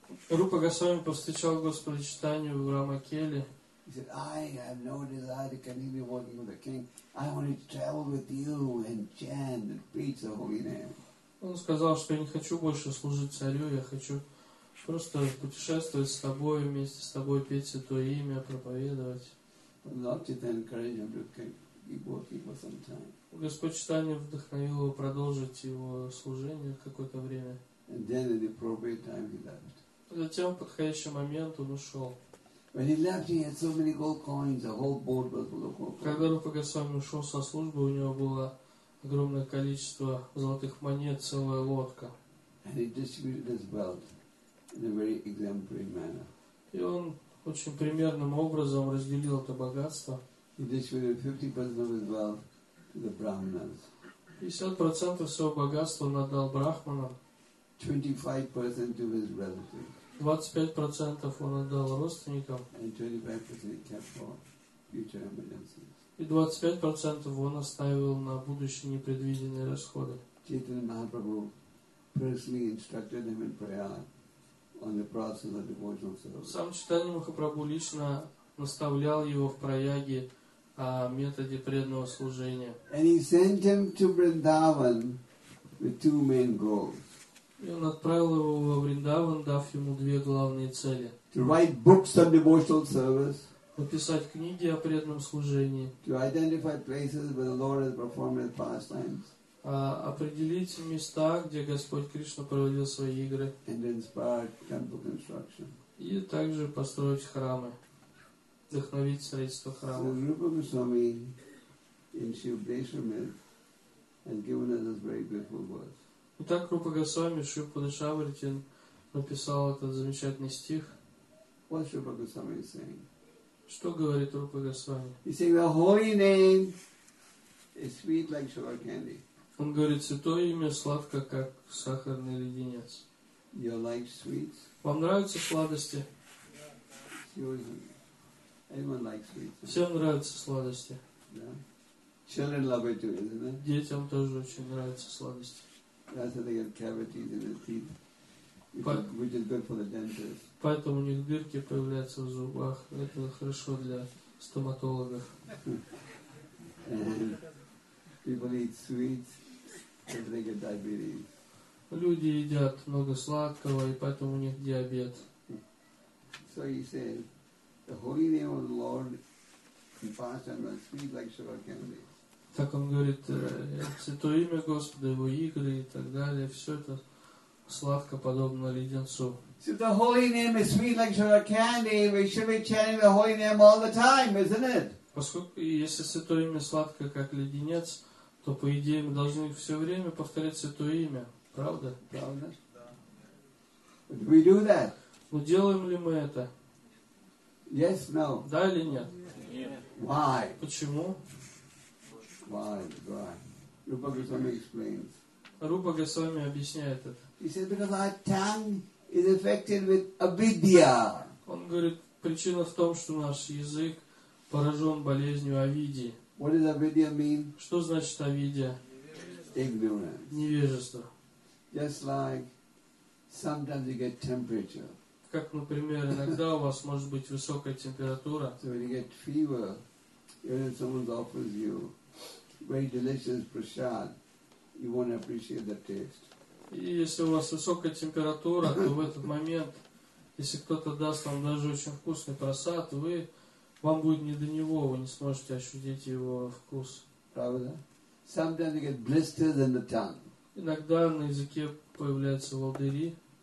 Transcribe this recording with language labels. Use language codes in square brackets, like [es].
[ru] Рупа Госвами повстречал Господа Чайтанью в Рамакеле. [en] He said, I have no desire to continue working with the king. I want to travel with you and chant and preach the holy name. [ru] Он сказал, что я не хочу больше служить царю, я хочу просто путешествовать с тобой, вместе с тобой петь Святое Имя, проповедовать. [en] Lord Chaitanya encouraged him to keep working for some time. [ru] Господь Чайтанья вдохновил его продолжить его служение какое-то время. [en] And then, at the appropriate time, he left. [ru] Затем в подходящий момент он ушел. [en] When he left, he had so many gold coins. The whole board was full of gold. [ru] Когда Рупа Госвами ушел со службы, у него было огромное количество золотых монет, целая лодка. [en] And he distributed his wealth in a very exemplary manner. [ru] И он очень примерным образом разделил это богатство. [en] He distributed 50% of his wealth to the brahmanas. [ru] 50% своего богатства он отдал брахманам. [en] 25% to his relatives. [ru] 25% он отдал родственникам. [en] And 25% he kept for future emergencies. [ru] И 25% он оставил на будущие непредвиденные расходы. [en] Чайтанья Махапрабху personally instructed him in prayer on the process of devotional service. [ru] Сам Чайтанья Махапрабху лично наставлял его в прояге о методе преданного служения. [en] And he sent him to Vrindavan with two main goals. [ru] И он отправил его во Вриндаван, дав ему две главные цели. [en] To write books on devotional service. [ru] Написать книги о преданном служении. [en] To identify places where the Lord has performed his pastimes. [ru] Определить места, где Господь Кришна проводил свои игры. [en] And inspire temple construction. [ru] И также построить храмы. Вдохновить строительство храмов. [en] So Rupa Goswami in Shiva Dasamrita has given us this very beautiful verse. [ru] Итак, Рупа Госвами, Шива Падашаврити, написал этот замечательный стих. [en] What Rupa Goswami is saying? [ru] Что говорит Рупа Госвами? [en] He says the holy name is sweet like sugar candy. [ru] Он говорит, святое имя сладко, как сахарный леденец. [en] You like sweets? [ru] Вам нравятся сладости? [en] Anyone likes sweets? [ru] Всем нравятся сладости. [en] Yeah. Children love it too, isn't it? [ru] Детям тоже очень нравятся сладости. [en] That's how they get cavities in their teeth. Which is good for the dentist. [ru] Поэтому у них дырки появляются в зубах. Это хорошо для стоматологов. [en] People eat sweets, so they get diabetes. [ru] Люди едят много сладкого, и поэтому у них диабет. [en] So he said, the holy name of the Lord in pastime was sweet like sugar candy. [ru] Так он говорит, святое имя Господа, его игры и так далее, все это сладко подобно леденцу. [en] So the holy name is sweet like sugar candy. We should be chanting the holy name all the time, isn't it? [ru] Поскольку если святое имя сладко как леденец, то по идее мы должны все время повторять святое имя, правда? Правда. [en] Do we do that? [ru] Но делаем ли мы это? [en] Yes, no. [ru] Да или нет? Нет. [en] Why? [ru] Почему? [en] Why? Rupa Goswami explains. [ru] Рупа Госвами объясняет это. [en] He said, because our tongue is affected with avidya. [ru] Он говорит, причина в том, что наш язык поражен болезнью авидии. [en] What does avidya mean? [ru] Что значит авидия? [en] Ignorance. [ru] Невежество. [en] Just like sometimes you get temperature. [ru] Как, например, иногда у вас может быть высокая температура. [en] So when you get fever, even if someone offers you very delicious prasad, you won't appreciate the taste. [ru] И если у вас высокая температура, то в этот момент, если кто-то даст вам даже очень вкусный просад, вам будет не до него, вы не сможете ощутить его вкус. Правда? [en] Sometimes you get blisters in the tongue. [ru] Иногда на языке появляются волдыри.